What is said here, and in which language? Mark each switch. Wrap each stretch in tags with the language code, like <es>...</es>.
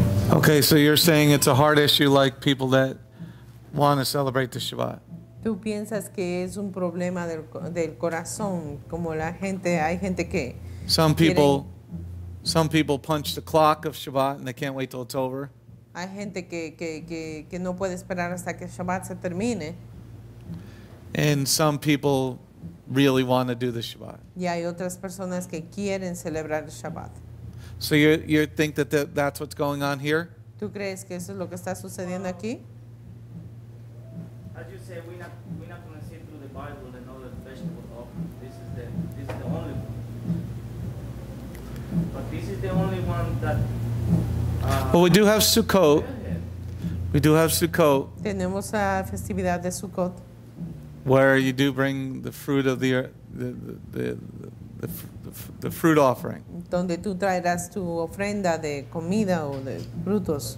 <en>Okay, so you're saying it's a heart issue like people that want to celebrate the Shabbat.</en> <es>¿Tú piensas que es un problema del corazón como la gente, hay gente que</es> <en>Some people punch the clock of Shabbat and they can't wait till it's over.</en> <es>Hay gente que no puede esperar hasta que Shabbat se termine.</es> <en>And some people really want to do the Shabbat.</en> <es>Y hay otras personas que quieren celebrar el Shabbat.</es> <en>So you think that that's what's going on here?</en> <es>¿Tú crees que eso es lo que está sucediendo aquí?</es> <en>As you say, we're not going to see through the Bible and all the vegetable offering. This is the only one. But this is the only one that... Well, we do have Sukkot. We do have Sukkot.</en> <es>Tenemos la festividad de Sukkot.</es> <en>Where you do bring the fruit of the fruit offering.</en> <es>Donde tú traerás tu ofrenda de comida o de frutos.</es>